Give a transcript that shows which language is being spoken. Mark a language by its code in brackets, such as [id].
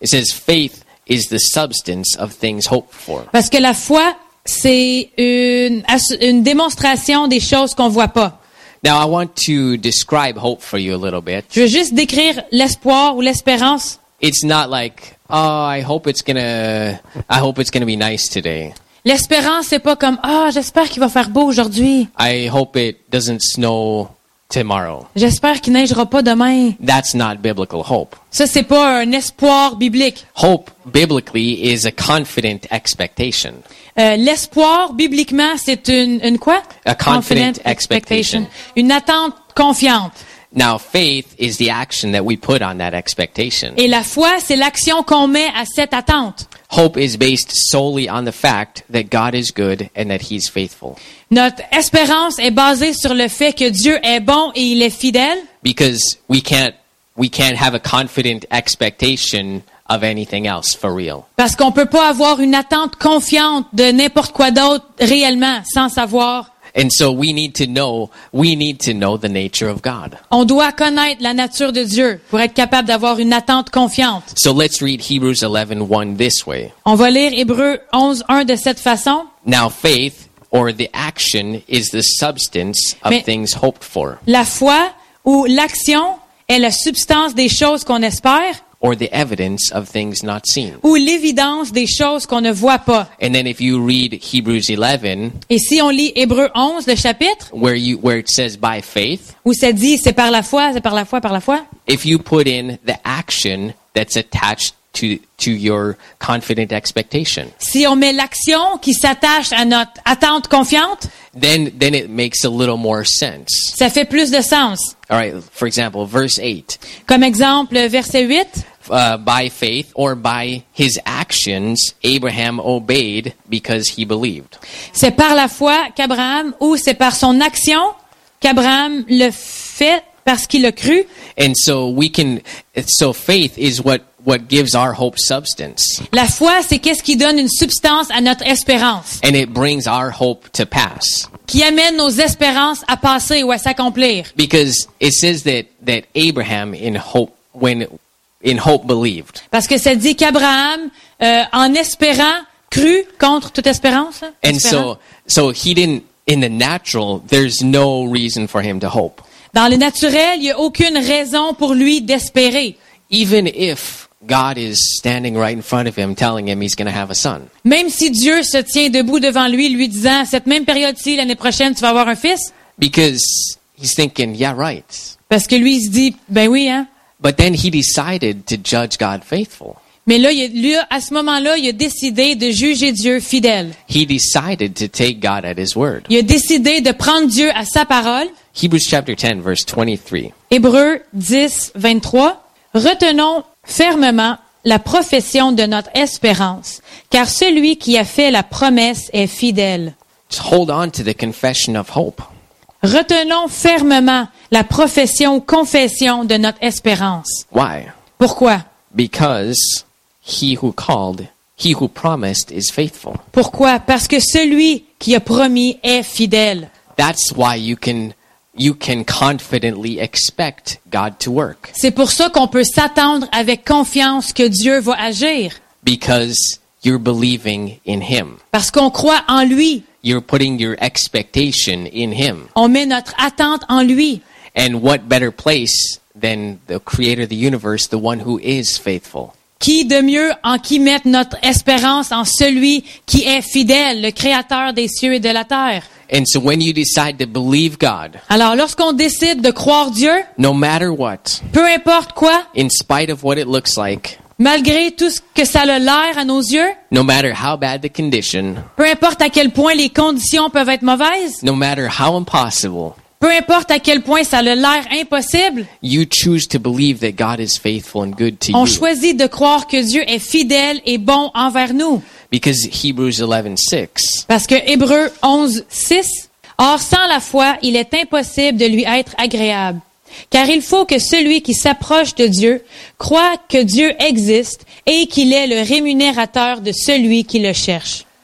[en] It says faith is the substance of things hoped for. [fr] Parce que la foi, c'est une démonstration des choses qu'on voit pas. [en] Now I want to describe hope for you a little bit. [fr] Je veux juste décrire l'espoir ou l'espérance. [en] It's not like, oh, I hope it's gonna be nice today. [fr] L'espérance, c'est pas comme, oh, j'espère qu'il va faire beau aujourd'hui. [en] I hope it doesn't snow tomorrow. [fr] J'espère qu'il neigera pas demain. [en] That's not biblical hope. [fr] Ça, c'est pas un espoir biblique. [en] Hope, biblically, is a confident expectation. [fr] L'espoir, bibliquement, c'est une quoi? [en] A confident expectation. [fr] Une attente confiante. [en] Now, faith is the action that we put on that expectation. [fr] Et la foi, c'est l'action qu'on met à cette attente. [en] Hope is based solely on the fact that God is good and that he's faithful. [fr] Notre espérance est basée sur le fait que Dieu est bon et il est fidèle. [en] Because we can't have a confident expectation of anything else for real. [fr] Parce qu'on peut pas avoir une attente confiante de n'importe quoi d'autre réellement sans savoir. [en] And so we need to know the nature of God. [fr] On doit connaître la nature de Dieu pour être capable d'avoir une attente confiante. [en] So let's read Hebrews 11:1 this way. [fr] On va lire Hébreux 11:1 de cette façon. [en] Now faith or the action is the substance of things hoped for. [fr] La foi ou l'action est la substance des choses qu'on espère. [en] Or the evidence of things not seen. [fr] Ou l'évidence des choses qu'on ne voit pas. [en] And then if you read Hebrews 11. [fr] Et si on lit Hébreux 11, le chapitre. [en] Where it says by faith. [fr] Où ça dit c'est par la foi, c'est par la foi, par la foi. [en] If you put in the action that's attached to your confident expectation. [fr] Si on met l'action qui s'attache à notre attente confiante. [en] Then it makes a little more sense. [fr] Ça fait plus de sens. [en] All right, for example, verse 8. [fr] Comme exemple, verset 8. [en] By faith or by his actions, Abraham obeyed because he believed. [fr] C'est par la foi qu'Abraham, ou c'est par son action qu'Abraham le fait parce qu'il a cru. [en] And so we can, so faith is what gives our hope substance. [fr] La foi, c'est qu'est-ce qui donne une substance à notre espérance. [en] And it brings our hope to pass. [fr] Qui amène nos espérances à passer ou à s'accomplir. [en] Because it says that Abraham in hope believed. [fr] Parce que ça dit qu'Abraham en espérant cru contre toute espérance. [en] And so he didn't in the natural there's no reason for him to hope. [fr] Dans le naturel, il n'y a aucune raison pour lui d'espérer. [en] Even if God is standing right in front of him, telling him he's going to have a son. [fr] Même si Dieu se tient debout devant lui, lui disant cette même période-ci l'année prochaine, tu vas avoir un fils. [en] Because he's thinking, yeah, right. [fr] Parce que lui il se dit, ben oui, hein. [en] But then he decided to judge God faithful. [fr] Mais là, lui, à ce moment-là, il a décidé de juger Dieu fidèle. [en] He decided to take God at his word. [fr] Il a décidé de prendre Dieu à sa parole. [en] Hebrews chapter 10, verse 23. [fr] Hébreux 10:23. Retenons fermement la profession de notre espérance, car celui qui a fait la promesse est fidèle. [en] Just hold on to the confession of hope. [fr] Retenons fermement la profession ou confession de notre espérance. [en] Why? [fr] Pourquoi? [en] Because he who called, he who promised is faithful. [fr] Pourquoi? Parce que celui qui a promis est fidèle. [en] That's why you can confidently expect God to work. [fr] C'est pour ça qu'on peut s'attendre avec confiance que Dieu va agir. [en] Because you're believing in him. [fr] Parce qu'on croit en lui. [en] You're putting your expectation in him. [fr] On met notre attente en lui. [en] And what better place than the creator of the universe, the one who is faithful? [fr] Qui de mieux en qui mettre notre espérance en celui qui est fidèle, le créateur des cieux et de la terre? [en] And so when you decide to believe God, [fr] alors lorsqu'on décide de croire Dieu, [en] no matter what, [fr] peu importe quoi, [en] in spite of what it looks like, [fr] malgré tout ce que ça a l'air à nos yeux, [en] no matter how bad the condition, [fr] peu importe à quel point les conditions peuvent être mauvaises, [en] no matter how impossible, [fr] peu importe à quel point ça a l'air impossible, [en] you choose to believe that God is faithful and good to [fr] on On choisit de croire que Dieu est fidèle et bon envers nous. [en] Because Hebrews 11:6. [fr] Parce que Hébreux 11:6. Or sans la foi, il est impossible de lui être agréable. Car il faut que celui qui s'approche de Dieu croie que Dieu existe et qu'il est le rémunérateur de celui qui le cherche.